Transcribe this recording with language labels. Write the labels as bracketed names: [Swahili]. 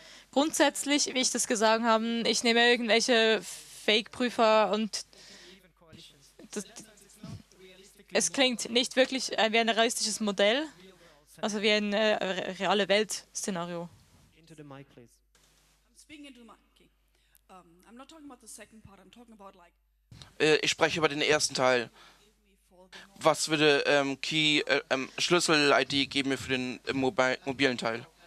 [German] Grundsätzlich, wie ich das gesagt habe, ich nehme irgendwelche Fake-Prüfer und es klingt nicht wirklich wie ein realistisches Modell, also wie ein reale Welt-Szenario. [English] Into the mic, please. I'm speaking into the mic. Okay. I'm not talking about the second part, I'm talking about like... [German] Ich spreche über den ersten Teil. Was würde Schlüssel-ID geben mir für den mobilen Teil?